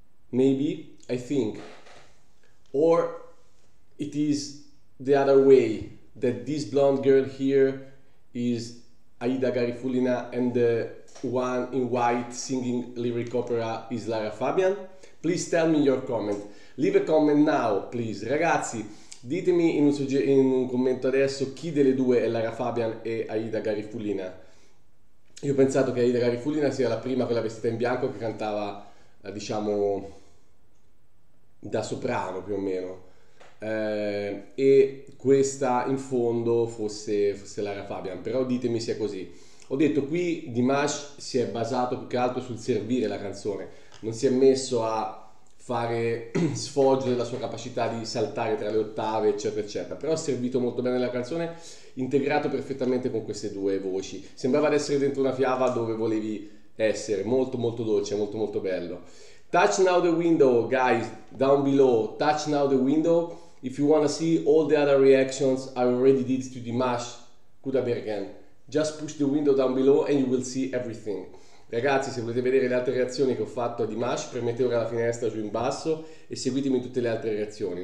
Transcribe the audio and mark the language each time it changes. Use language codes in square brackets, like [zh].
[en] Maybe, I think. Or it is the other way, that this blonde girl here is Aida Garifullina and the one in white singing lyric opera is Lara Fabian? Please tell me your comment. Leave a comment now, please. [it] Ragazzi, ditemi in un commento adesso chi delle due è Lara Fabian e Aida Garifullina. Io ho pensato che Aida Garifullina sia la prima, quella vestita in bianco, che cantava, diciamo, da soprano, più o meno. E questa, in fondo, fosse Lara Fabian. Però ditemi se è così. Ho detto, qui Dimash si è basato più che altro sul servire la canzone. Non si è messo a fare sfoggio della sua capacità di saltare tra le ottave, eccetera, eccetera. Però ha servito molto bene la canzone, integrato perfettamente con queste due voci. Sembrava di essere dentro una fiaba dove volevi essere. Molto, molto dolce, molto, molto bello. [en] Touch now the window, guys, down below. Touch now the window. If you want to see all the other reactions I already did to Dimash Kudaibergen, just push the window down below and you will see everything. [it] Ragazzi, se volete vedere le altre reazioni che ho fatto a Dimash, premete ora la finestra giù in basso e seguitemi in tutte le altre reazioni.